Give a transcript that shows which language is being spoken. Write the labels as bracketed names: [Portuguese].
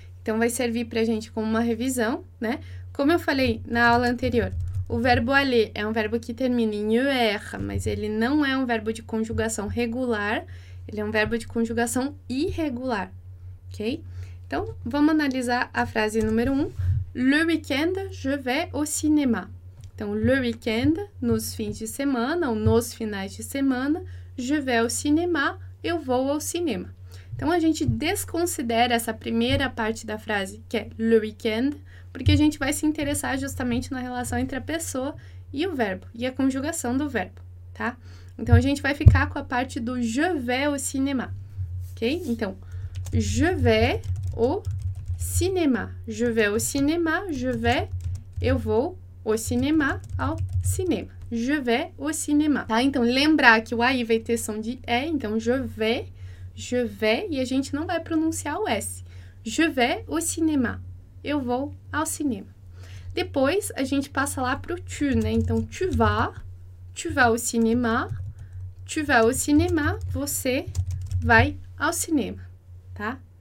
[Portuguese] Então vai servir para a gente como uma revisão, né? Como eu falei na aula anterior, o verbo aller é um verbo que termina em er, mas ele não é um verbo de conjugação regular, ele é um verbo de conjugação irregular, ok? Então vamos analisar a frase número 1. [French] Le week-end, je vais au cinéma. [Portuguese] Então, [French] le week-end, [Portuguese] nos fins de semana ou nos finais de semana, [French] je vais au cinéma, [Portuguese] eu vou ao cinema. Então, a gente desconsidera essa primeira parte da frase, que é [French] le week-end, [Portuguese] porque a gente vai se interessar justamente na relação entre a pessoa e o verbo, e a conjugação do verbo, tá? Então, a gente vai ficar com a parte do [French] je vais au cinéma, [Portuguese] ok? [French] Então, je vais au cinéma. Je vais au cinéma, je vais, [Portuguese] eu vou. O cinema ao cinema. [French] Je vais au cinéma. [Portuguese] Tá? Então, lembrar que o aí vai ter som de é, então [French] je vais, [Portuguese] e a gente não vai pronunciar o S. [French] Je vais au cinéma. [Portuguese] Eu vou ao cinema. Depois, a gente passa lá pro tu, né? Então, [French] tu vas au cinéma, tu vas au cinéma, [Portuguese] você vai ao cinema, tá?